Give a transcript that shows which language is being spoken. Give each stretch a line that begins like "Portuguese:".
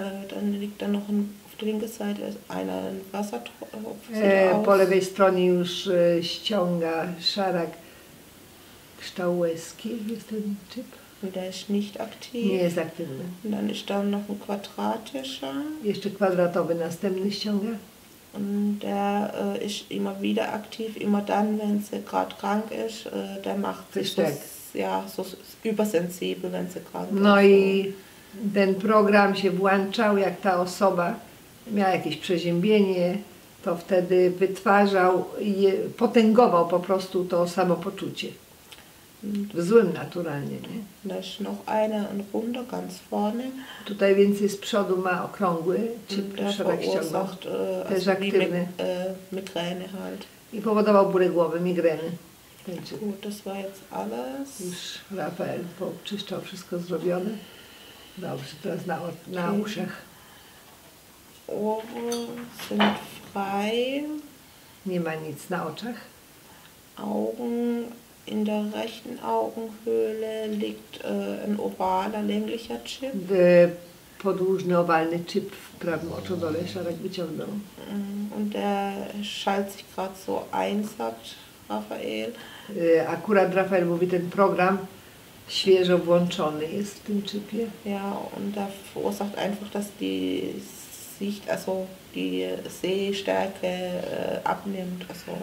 German: Dann liegt da noch auf der linken Seite ein Wassertropf.
Polish: Po lewej stronie już ściąga Szarak kształt łezki, jest ten typ.
German: Der ist nicht aktiv.
Polish: Nie jest aktywny.
German: Dann ist da noch ein quadratischer.
Polish: Jeszcze kwadratowy następny ściąga.
German: Und der ist immer wieder aktiv, immer dann, wenn sie gerade krank ist. Der macht sich das, ja, so übersensibel, wenn sie krank ist.
Polish: No i ten program się włączał, jak ta osoba miała jakieś przeziębienie, to wtedy wytwarzał i potęgował po prostu to samopoczucie. W złym naturalnie, nie?
German: Jeszcze noch eine runde ganz vorne.
Polish: Tutaj więcej z przodu ma okrągły, czy szereg ściągał. Też aktywny.
German: Migräne halt.
Polish: I powodował bóle głowy, migreny.
German: Das war jetzt alles.
Polish: Już Rafael poczyszczał wszystko zrobione. Dobrze, teraz na uszach.
German: Ohren sind frei.
Polish: Nie ma nic na oczach.
German: Augen, in der rechten Augenhöhle liegt ein ovaler, länglicher Chip.
Polish: Podłużny, owalny chip w prawym oczodole, szereg wyciągnął.
German: Und der schaltet sich gerade so ein, sagt Rafael.
Polish: Akurat Rafael mówi, ten program świeżo włączony jest w tym chipie.
German: Ja, und da verursacht einfach, dass die Sicht, also die Sehstärke abnimmt, also.